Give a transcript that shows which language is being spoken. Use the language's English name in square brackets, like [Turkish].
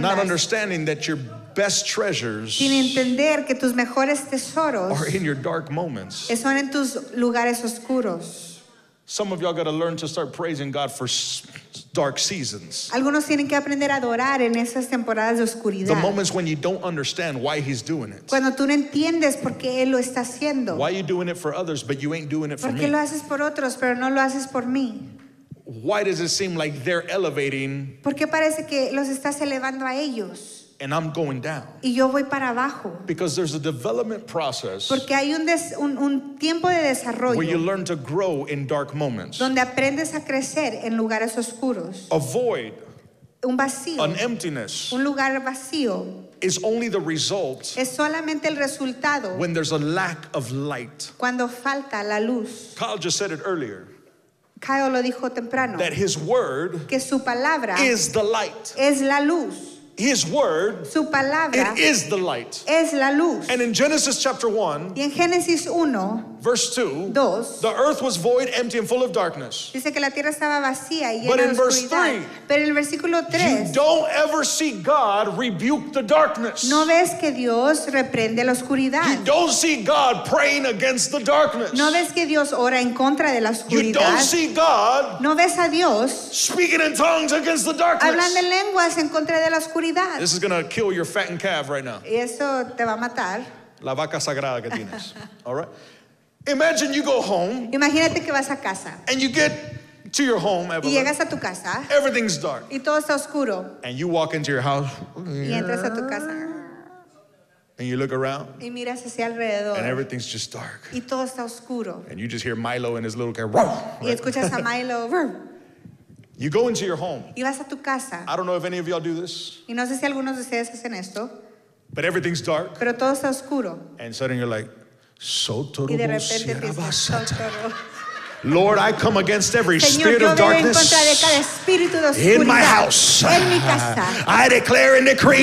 [English] Not understanding that you're best treasures [Spanish] sin entender que tus mejores tesoros [English] are in your dark moments. [Spanish] Son en tus lugares oscuros. [English] Some of y'all got to learn to start praising God for dark seasons. [Spanish] Algunos tienen que aprender a adorar en esas temporadas de oscuridad. [English] The moments when you don't understand why he's doing it. [Spanish] Cuando tú no entiendes por qué él lo está haciendo. [English] Why are you doing it for others but you ain't doing it for me? [Spanish] ¿Por qué lo haces por otros pero no lo haces por mí? [English] Why does it seem like they're elevating? [Spanish] ¿Por qué parece que los estás elevando a ellos? [English] And I'm going down. [Spanish] Y yo voy para abajo. [English] Because there's a development process. [Spanish] Porque hay un tiempo de desarrollo. [English] Where you learn to grow in dark moments. [Spanish] Donde aprendes a crecer en lugares oscuros. [English] Avoid [Spanish] un vacío, [English] an emptiness, [Spanish] un lugar vacío, [English] is only the result [Spanish] es solamente el resultado [English] when there's a lack of light. [Spanish] Cuando falta la luz. [English] Kyle just said it earlier. [Spanish] Kyle lo dijo temprano. [English] That his word, [Spanish] que su palabra, [English] is the light. [Spanish] Es la luz. [English] His word, [Spanish] su palabra, [English] it is the light. [Spanish] Es la luz. [English] And in Genesis chapter 1, [Spanish] y en Génesis 1, [English] verse 2, [Spanish] dos, [English] the earth was void, empty, and full of darkness. [Spanish] Dice que la tierra estaba vacía y llena de oscuridad. [English] But in verse 3, [Spanish] pero en el versículo 3, [English] you don't ever see God rebuke the darkness. [Spanish] No ves que Dios reprende la oscuridad. [English] You don't see God praying against the darkness. [Spanish] No ves que Dios ora en contra de la oscuridad. [English] You don't see God, [Spanish] no ves a Dios, [English] speaking in tongues against the darkness. [Spanish] Hablando en lenguas en contra de la oscuridad. [English] This is going to kill your fattened calf right now. [Spanish] Y eso te va a matar. La vaca sagrada que tienes. [English] All right? Imagine you go home. [Spanish] Imagínate que vas a casa. [English] And you get to your home. [Spanish] Y llegas a tu casa. [English] Everything's dark. [Spanish] Y todo está oscuro. [English] And you walk into your house. [Spanish] Y entras a tu casa. [English] And you look around. [Spanish] Y miras hacia alrededor. [English] And everything's just dark. [Spanish] Y todo está oscuro. [English] And you just hear Milo in his little car. Right? [Spanish] Y escuchas a Milo. [English] You go into your home. [Spanish] Y vas a tu casa. [English] I don't know if any of y'all do this. [Spanish] Y no sé si algunos de ustedes hacen esto. [English] But everything's dark. [Spanish] Pero todo está oscuro. [English] And suddenly you're like, Sotoro, [Spanish] y de repente dice, [English] Lord, I come against every [Spanish] Señor, [English] spirit of darkness in my house. [Spanish] En mi casa. [English] I declare and decree,